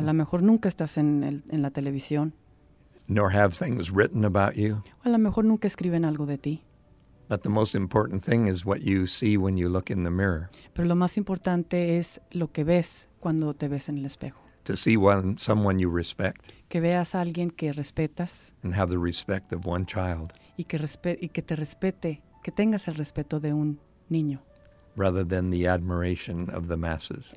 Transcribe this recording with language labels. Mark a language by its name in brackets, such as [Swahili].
[Spanish] A lo mejor nunca estás en la televisión. [English] Nor have things written about you. [Spanish] A lo mejor nunca escriben algo de ti. [English] But the most important thing is what you see when you look in the mirror. [Spanish] Pero lo más importante es lo que ves cuando te ves en el espejo. [English] To see someone you respect. [Spanish] Que veas a alguien que respetas. [English] And have the respect of one child. [Spanish] Y que te respete, que tengas el respeto de un niño. [English] Rather than the admiration of the masses.